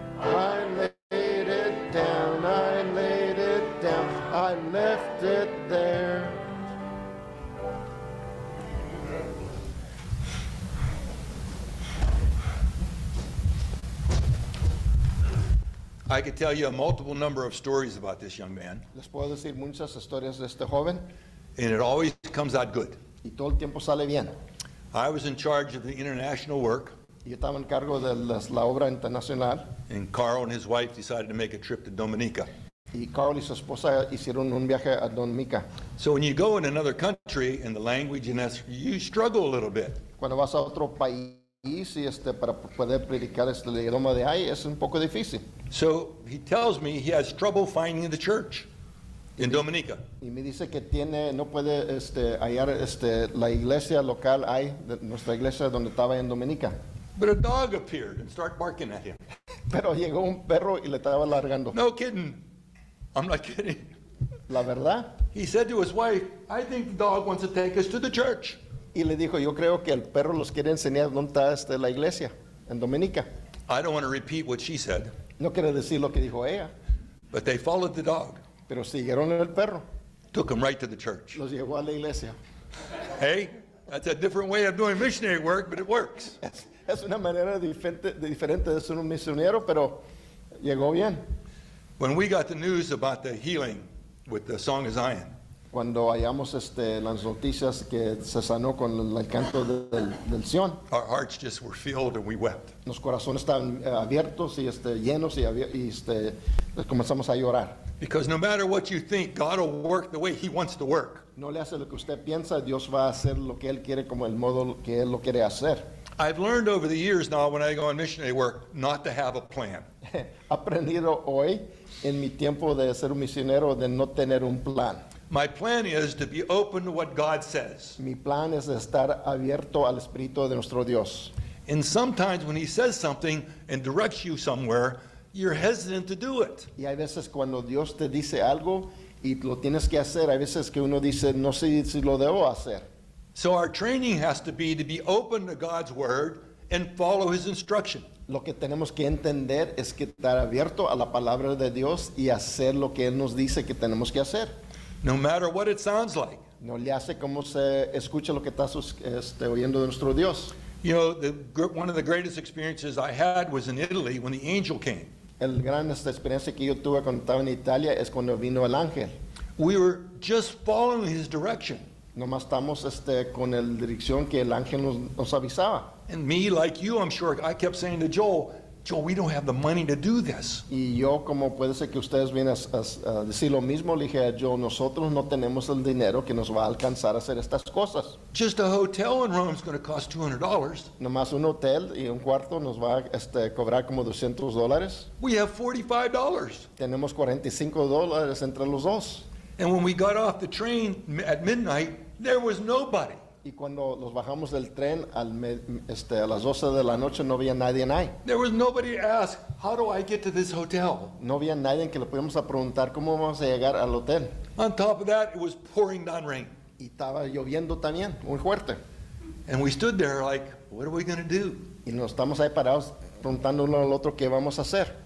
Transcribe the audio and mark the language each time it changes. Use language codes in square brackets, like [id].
[en] I laid it down. I laid it down. I left it there. I could tell you a multiple number of stories about this young man. [es] Les puedo decir muchas historias de este joven. [en] And it always comes out good. [es] Y todo el tiempo sale bien. [en] I was in charge of the international work. [es] Yo estaba en cargo de la obra internacional. [en] And Carl and his wife decided to make a trip to Dominica. [es] Y Carl y su esposa hicieron un viaje a Dominica. [en] So when you go in another country and the language and that's, you struggle a little bit. [es] Cuando vas a otro país. Para poder predicar este idioma de ahí es un poco difícil. [en] So he tells me he has trouble finding the church in Dominica. [es] Y me dice que tiene no puede hallar la iglesia local ahí nuestra iglesia donde estaba en Dominica. [en] But a dog appeared and started barking at him. [es] Pero llegó un perro y le estaba largando. [en] No kidding. I'm not kidding. [es] La verdad. [en] He said to his wife, I think the dog wants to take us to the church. [es] Y le dijo, yo creo que el perro los quiere enseñar dónde está la iglesia en Dominica. [en] I don't want to repeat what she said. [es] No quiero decir lo que dijo ella. [en] But they followed the dog. [es] Pero siguieron el perro. [en] Took him right to the church. [es] Los llevó a la iglesia. [en] Hey, that's a different way of doing missionary work, but it works. [es] Es una manera diferente de ser un misionero, pero llegó bien. [en] When we got the news about the healing with the Song of Zion. [es] Cuando hallamos las noticias que se sanó con el canto del Sion. [en] Our hearts just were filled and we wept. [es] Los corazones estaban abiertos y llenos y comenzamos a llorar. [en] Because no matter what you think, God will work the way he wants to work. [es] No le hace lo que usted piensa, Dios va a hacer lo que él quiere como el modo que él lo quiere hacer. [en] I've learned over the years now when I go on missionary work not to have a plan. [es] Aprendido hoy en mi tiempo de ser un misionero de no tener un plan. [en] My plan is to be open to what God says. [es] Mi plan es estar abierto al Espíritu de nuestro Dios. [en] And sometimes when he says something and directs you somewhere, you're hesitant to do it. [es] Y hay veces cuando Dios te dice algo y lo tienes que hacer, hay veces que uno dice, no sé si lo debo hacer. [en] So our training has to be open to God's word and follow his instruction. [es] Lo que tenemos que entender es que estar abierto a la palabra de Dios y hacer lo que él nos dice que tenemos que hacer. [en] No matter what it sounds like. [es] No le hace como se escucha lo que estás oyendo de nuestro Dios. [en] You know, one of the greatest experiences I had was in Italy when the angel came. [es] El gran experiencia que yo tuve cuando estaba en Italia es cuando vino el ángel. [en] We were just following his direction. [es] Nomás estamos con la dirección que el ángel nos avisaba. [en] And me, like you, I'm sure, I kept saying to Joel, Joe, we don't have the money to do this. [es] Y yo, como puede ser que ustedes vienen a decir lo mismo, le dije a Joe, nosotros no tenemos el dinero que nos va a alcanzar a hacer estas cosas. [en] Just a hotel in Rome is going to cost $200. [es] Nomás un hotel y un cuarto nos va a cobrar como $200. [en] We have $45. [es] Tenemos $45 entre los dos. [en] And when we got off the train at midnight, there was nobody. [es] Y cuando los bajamos del tren a las 12 de la noche no había nadie ahí. [en] There was nobody to ask, how do I get to this hotel? [es] No había nadie que le pudiéramos preguntar cómo vamos a llegar al hotel. [en] On top of that, it was pouring down rain. [es] Y estaba lloviendo también, muy fuerte. [en] And we stood there like, what are we going to do? [es] Y nos estamos ahí parados preguntando uno al otro qué vamos a hacer.